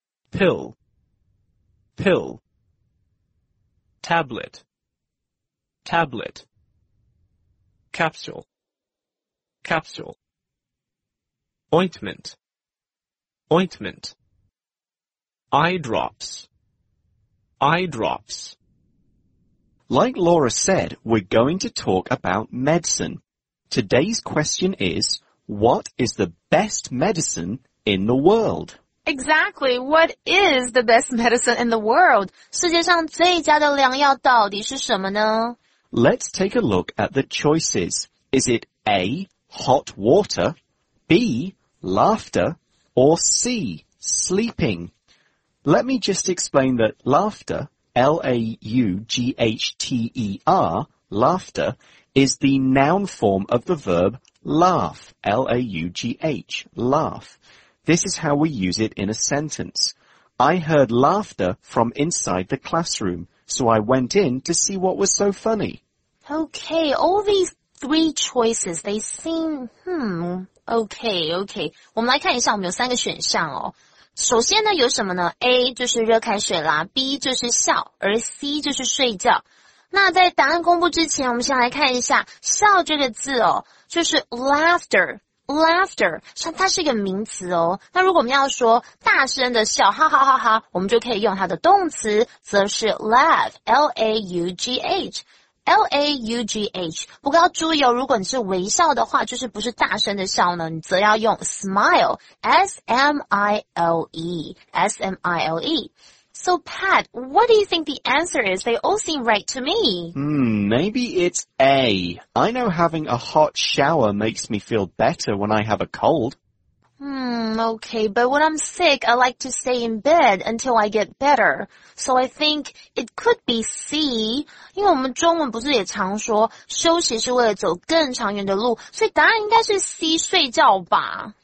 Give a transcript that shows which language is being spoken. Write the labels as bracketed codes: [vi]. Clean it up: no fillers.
[en] Pill. Pill. Tablet. Tablet. Capsule. Capsule. Ointment. Ointment. Eye drops. Eye drops. Like Laura said, we're going to talk about medicine. Today's question is, what is the best medicine in the world? Exactly. What is the best medicine in the world? [zh] 世界上最佳的良药到底是什么呢? [en] Let's take a look at the choices. Is it A, hot water, B, laughter,Or C, sleeping. Let me just explain that laughter, L-A-U-G-H-T-E-R, laughter, is the noun form of the verb laugh, L-A-U-G-H, laugh. This is how we use it in a sentence. I heard laughter from inside the classroom, so I went in to see what was so funny. Okay, all these three choices, they seem, Okay. [zh] 我们来看一下我们有三个选项哦。首先呢有什么呢 ?A 就是热开水啦 ,B 就是笑而 C 就是睡觉。那在答案公布之前我们先来看一下笑这个字哦就是 laughter, 它是一个名词哦。那如果我们要说大声的笑哈哈哈哈我们就可以用它的动词则是 laugh, L-A-U-G-H。 L-A-U-G-H 不过要注意哦如果你是微笑的话就是不是大声的笑呢你则要用 smile S-M-I-L-E S-M-I-L-E [en] So Pat, what do you think the answer is? They all seem right to me Maybe it's A I know having a hot shower makes me feel better when I have a cold Okay, but when I'm sick, I like to stay in bed until I get better. So I think it could be C. [zh] 因为我们中文不是也常说休息是为了走更长远的路，所以答案应该是 C, 睡觉吧。